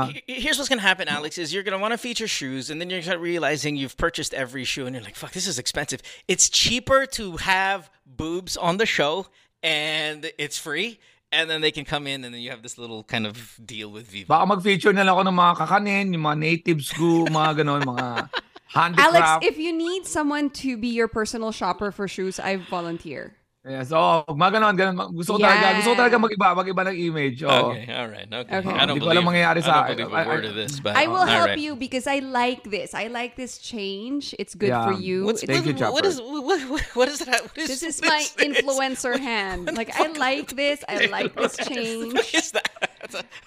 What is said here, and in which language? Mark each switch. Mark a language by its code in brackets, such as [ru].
[en] Here's what's going to happen, Alex, is you're going to want to feature shoes and then you're gonna start realizing you've purchased every shoe and you're like, fuck, this is expensive. It's cheaper to have boobs on the show and it's free. And then they can come in and then you have this little kind of deal with Viva. [tl] Baka mag-feature na lang ako ng mga kakanin, yung mga natives ko, mga ganon, mga... [en] Handicraft. Alex, if you need someone to be your personal shopper for shoes, I volunteer. Yes. Oh, [tl] maganon. Gusto talaga mag-iba ng image. [en] Oh. Okay. I don't believe a word of this. But I will help you because I like this. I like this change. It's good for you. What is this? Influencer hand. Like, I like this. I like this change. What is that?